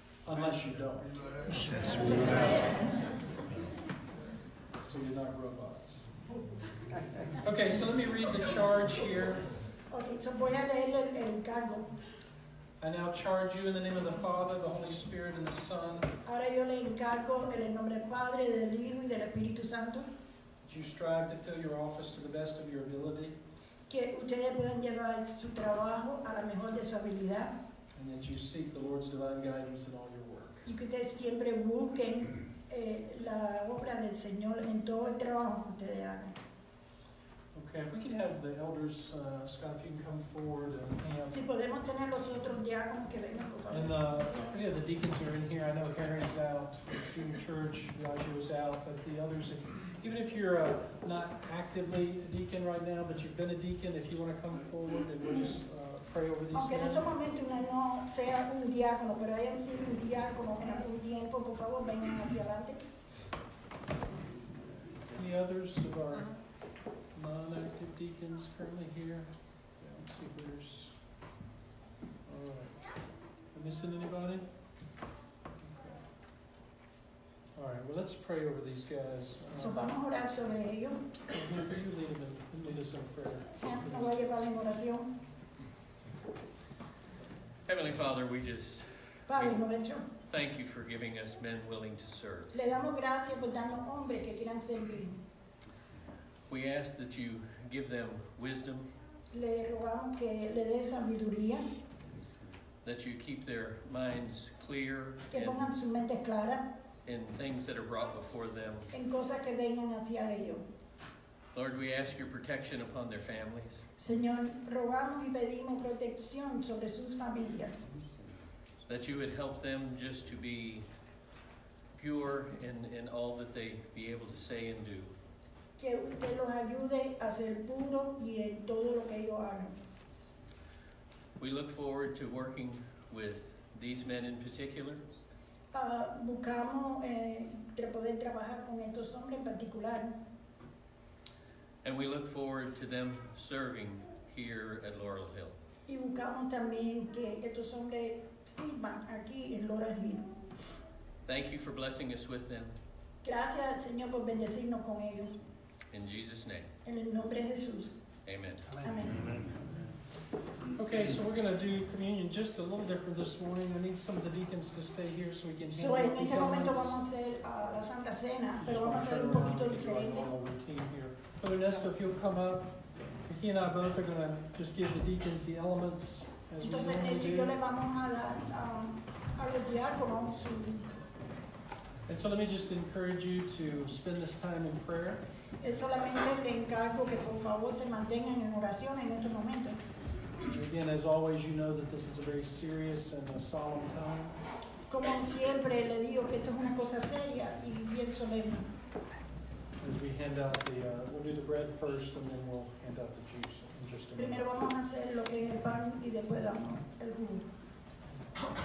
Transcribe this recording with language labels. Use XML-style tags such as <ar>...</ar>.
<en>Unless you don't. Yes, we will. So you're not robots. Okay, so let me read the charge here.</en> <es>Okay, so voy a leer el cargo.</es> <en>I now charge you in the name of the Father, the Holy Spirit, and the Son.</en> <es>Ahora yo le encargo en el nombre del Padre, del Hijo, y del Espíritu Santo.</es> <en>You strive to fill your office to the best of your ability.</en> <es>Que ustedes puedan llevar su trabajo a la mejor de su habilidad.</es> <en>And that you seek the Lord's divine guidance in all your work.</en> <es>Y que ustedes siempre busquen la obra del Señor en todo el trabajo que ustedes hagan.</es> <en>Okay, if we can have the elders, Scott, if you can come forward and</en> <es>si podemos tener los otros diáconos que vengan, por favor.</es> <en>And the deacons are in here. I know Harry's out, in church, Roger's out, but the others, even if you're not actively a deacon right now, but you've been a deacon, if you want to come forward and we'll just pray over these</en> <es>aunque</es> <en>men.</en> <es>En este momento no sea un diácono, pero hayan sido un diácono en algún tiempo, por favor, vengan hacia adelante.</es> <en>Any others of our non-active deacons currently here? Yeah, let's see if there's... Am I missing anybody? All right, well, let's pray over these guys.</en> <es>So vamos a orar sobre ellos.</es> <en>Can you lead us in prayer?</en> <es>Me voy a llevar en oración.</es> <en>Heavenly Father, we just</en> <es>Padre, momento.</es> <en>Thank you for giving us men willing to serve.</en> <es>Le damos gracias por darnos hombres que quieran servir.</es> <en>We ask that you give them wisdom.</en> <es>Le rogamos que le dé sabiduría.</es> <en>That you keep their minds clear.</en> <es>Que pongan su mente clara.</es> <en>In things that are brought before them.</en> <es>En cosas que vengan hacia ellos.</es> <en>Lord, we ask your protection upon their families.</en> <es>Señor, rogamos y pedimos protección sobre sus familias.</es> <en>That you would help them just to be pure in all that they be able to say and do.</en> <es>Que usted los ayude a ser puro y en todo lo que ellos hagan.</es> <en>We look forward to working with these men in particular.</en> <es>buscamos poder trabajar con estos hombres en particular.</es> <en>And we look forward to them serving here at Laurel Hill.</en> <es>Y buscamos también que estos hombres sirvan aquí en Laurel Hill.</es> <en>Thank you for blessing us with them.</en> <es>Gracias, Señor, por bendecirnos con ellos.</es> <en>In Jesus' name.</en> <es>En el nombre de Jesús. Amen. Amen. Amen.</es> <en>Okay, so we're going to do communion just a little different this morning. I need some of the deacons to stay here so we can handle these elements.</en> <es>So en este momento vamos a hacer la Santa Cena, pero vamos a hacer un poquito diferente.</es> <en>Brother Nestor, if you'll come up, he and I both are going to just give the deacons the elements.</en> <es>Entonces, Nestor y yo le vamos a dar a los diáconos su.</es> <en>And so let me just encourage you to spend this time in prayer.</en> <es>Es solamente le encargo que por favor se mantengan en oración en este momento.</es> <en>Again, as always, you know that this is a very serious and a solemn time.</en> <es>Como siempre, le digo que esto es una cosa seria y bien solemne.</es> <en>As we hand out the, we'll do the bread first and then we'll hand out the juice in just a minute.</en> <es>Primero vamos a hacer lo que es el pan y después damos el jugo.</es>